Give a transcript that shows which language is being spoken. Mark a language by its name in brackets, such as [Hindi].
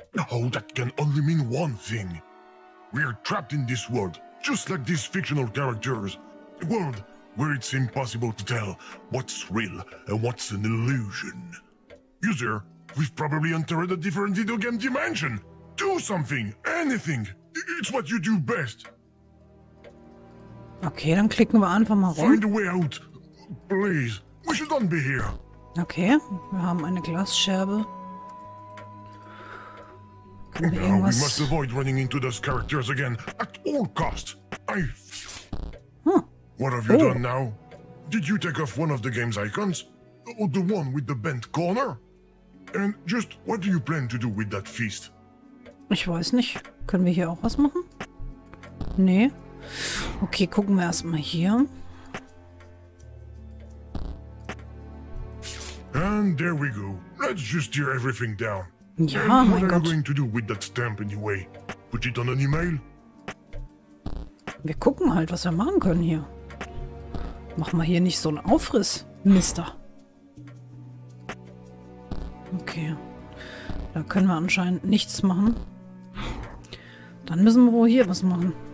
[English] Oh, that can only mean one thing. We're trapped in this world, just like these fictional characters. A world where it's impossible to tell what's real and what's an illusion. User, we've probably entered a different video game dimension. Do something, anything. It's what you do best. [German] Okay, dann klicken wir einfach mal rum. [English] Find a way out, please. We should not be here. [German] Okay, wir haben eine Glasscherbe. Können wir irgendwas? [English] We must avoid running into those characters again at all costs. What have you done now? Did you take off one of the game's icons, or the one with the bent corner? And just what do you plan to do with that fist? [German] Ich weiß nicht. Können wir hier auch was machen? Nee. Okay, gucken wir erstmal hier. [English] And there we go. Let's just tear everything down. [German] Ja, [English] and what [German] mein [English] are [German] Gott. [English] You going to do with that stamp anyway? Put it on an email? [German] Wir gucken halt, was wir machen können hier. Mach mal hier nicht so einen Aufriss, Mister. Okay. Da können wir anscheinend nichts machen. Dann müssen wir wohl hier was machen.